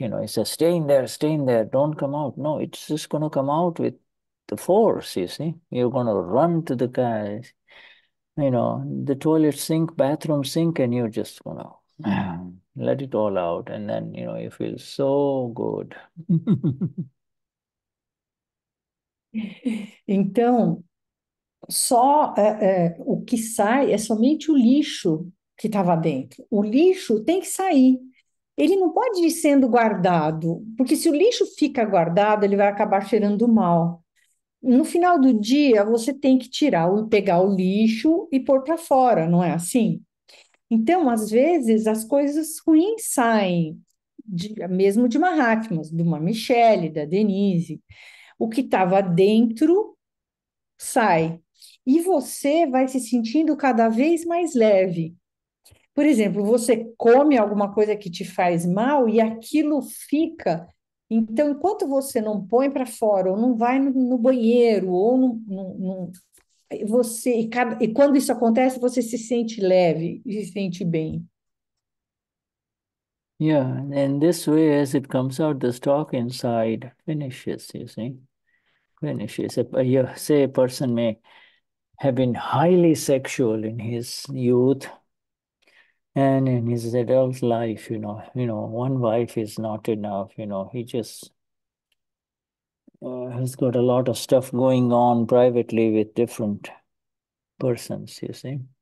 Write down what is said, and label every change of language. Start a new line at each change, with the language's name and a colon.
English: You know, it says, stay in there, don't come out. No, it's just going to come out with the force, you see. You're going to run to the guys, you know, the toilet sink, bathroom sink, and you're just going to let it all out. And then, you know, you feel so good.
Portuguese: Então, só o que sai é somente o lixo que estava dentro. O lixo tem que sair. Ele não pode ir sendo guardado, porque se o lixo fica guardado, ele vai acabar cheirando mal. No final do dia, você tem que tirar ou pegar o lixo e pôr para fora, não é assim? Então, às vezes, as coisas ruins saem, mesmo de Mahatmas, de uma Michelle, da Denise. O que estava dentro sai. E você vai se sentindo cada vez mais leve. Por exemplo, você come alguma coisa que te faz mal e aquilo fica. Então, enquanto você não põe para fora, ou não vai no banheiro, ou não, não, não, você, e quando isso acontece, você se sente leve e se sente bem.
English: Yeah, and this way, as it comes out, the stock inside finishes, you see. Finishes. Say a person may have been highly sexual in his youth, And in his adult life, you know, one wife is not enough, you know, he just has got a lot of stuff going on privately with different persons, you see.